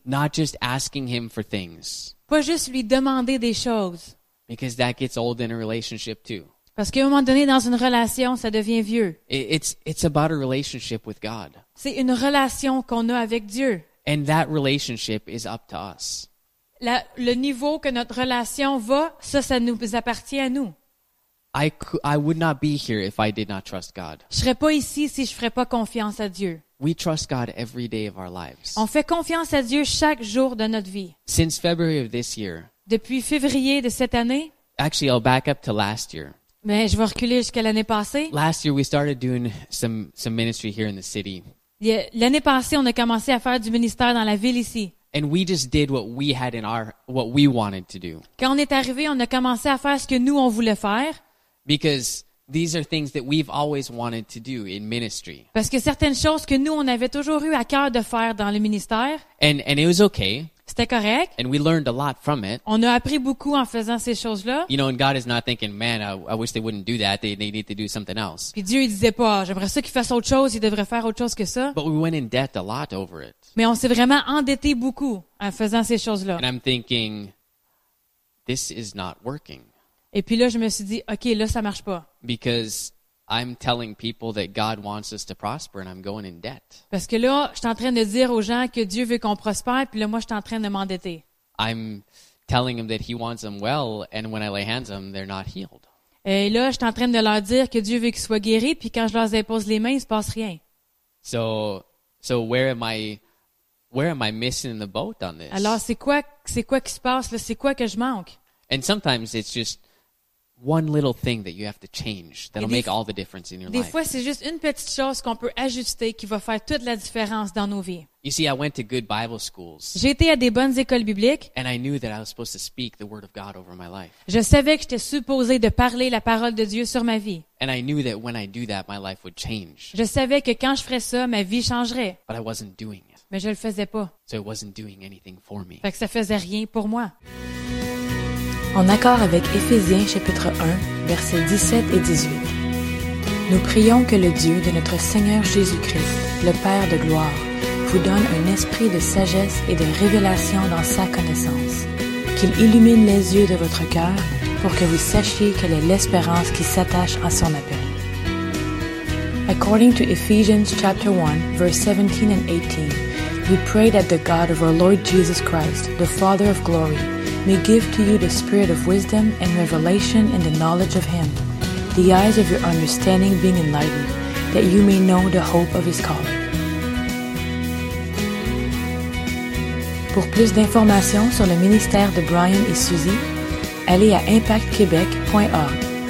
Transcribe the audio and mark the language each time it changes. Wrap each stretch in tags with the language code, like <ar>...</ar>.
<en>Not just asking Him for things.</en> <fr>Pas juste lui demander des choses.</fr> <en>Because that gets old in a relationship too.</en> <fr>Parce qu'à un moment donné, dans une relation, ça devient vieux.</fr> <en>It's about a relationship with God.</en> <fr>C'est une relation qu'on a avec Dieu.</fr> <en>And that relationship is up to us.</en> <fr>Le niveau que notre relation va, ça nous appartient à nous.</fr> <en>I would not be here if I did not trust God.</en> <fr>Je serais pas ici si je ferais pas confiance à Dieu.</fr> <en>We trust God every day of our lives.</en> <fr>On fait confiance à Dieu chaque jour de notre vie.</fr> <en>Since February of this year.</en> <fr>Depuis février de cette année.</fr> <en>Actually, I'll back up to last year.</en> <fr>Mais je vais reculer jusqu'à l'année passée.</fr> <en>Last year we started doing some ministry here in the city.</en> <fr>L'année passée, on a commencé à faire du ministère dans la ville ici.</fr> <en>And we just did what we had in our what we wanted to do.</en> <fr>Quand on est arrivé, on a commencé à faire ce que nous on voulait faire.</fr> <en>Because these are things that we've always wanted to do in ministry.</en> <fr>Parce que certaines choses que nous on avait toujours eu à cœur de faire dans le ministère.</fr> <en>And it was okay.</en> <fr>C'était correct.</fr> <en>And we learned a lot from it.</en> <fr>On a appris beaucoup en faisant ces choses-là.</fr> <en>You know, and God is not thinking, man, I wish they wouldn't do that. They need to do something else.</en> <fr>Puis Dieu, il disait pas, j'aimerais ça qu'ils fassent autre chose, ils devraient faire autre chose que ça.</fr> <en>But we went in debt a lot over it.</en> <fr>Mais on s'est vraiment endetté beaucoup en faisant ces choses-là.</fr> <en>And I'm thinking, this is not working.</en> <fr>Et puis là, je me suis dit, OK, là, ça marche pas.</fr> <en>Because I'm telling people that God wants us to prosper and I'm going in debt.</en> <fr>Parce que là, je suis en train de dire aux gens que Dieu veut qu'on prospère, puis là moi je suis en train de m'endetter.</fr> <en>I'm telling them that he wants them well and when I lay hands on them they're not healed.</en> <fr>Et là, je suis en train de leur dire que Dieu veut qu'ils soient guéris, puis quand je leur impose les mains, il se passe rien.</fr> <en>So where am I missing the boat on this?</en> <fr>Alors c'est quoi qui se passe là, c'est quoi que je manque?</fr> <en>And sometimes it's just one little thing that you have to change that'll make all the difference in your life.</en> <fr>Des fois, c'est juste une petite chose qu'on peut ajuster qui va faire toute la différence dans nos vies.</fr> <en>You see, I went to good Bible schools.</en> <fr>J'ai été à des bonnes écoles bibliques.</fr> <en>And I knew that I was supposed to speak the word of God over my life.</en> <fr>Je savais que j'étais supposé de parler la parole de Dieu sur ma vie.</fr> <en>And I knew that when I do that, my life would change.</en> <fr>Je savais que quand je ferais ça, ma vie changerait.</fr> <en>But I wasn't doing it.</en> <fr>Mais je le faisais pas.</fr> <en>So it wasn't doing anything for me.</en> <fr>Fait que ça faisait rien pour moi. En accord avec Éphésiens chapitre 1, versets 17 et 18, nous prions que le Dieu de notre Seigneur Jésus-Christ, le Père de gloire, vous donne un esprit de sagesse et de révélation dans sa connaissance, qu'il illumine les yeux de votre cœur pour que vous sachiez quelle est l'espérance qui s'attache à son appel.</fr> <en>According to Ephesians chapter 1, verse 17 and 18, we pray that the God of our Lord Jesus Christ, the Father of glory, may give to you the spirit of wisdom and revelation in the knowledge of Him, the eyes of your understanding being enlightened, that you may know the hope of His calling.</en> <fr>Pour plus d'informations sur le ministère de Brian et Suzy, allez à impactquebec.org.</fr>